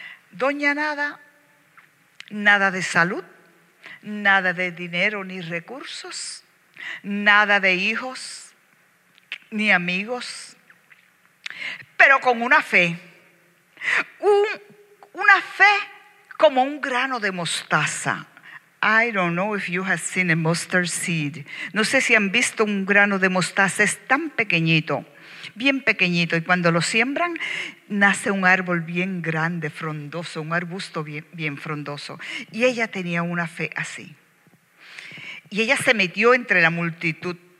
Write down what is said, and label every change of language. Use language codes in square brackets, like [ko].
[es] Doña Nada, nada de salud, nada de dinero ni recursos, nada de hijos ni amigos, pero con una fe, una fe como un grano de mostaza. [en] I don't know if you have seen a mustard seed. [es] No sé si han visto un grano de mostaza, es tan pequeñito, bien pequeñito, y cuando lo siembran, nace un árbol bien grande, frondoso, un arbusto bien, bien frondoso. Y ella tenía una fe así. Y ella se metió entre la multitud.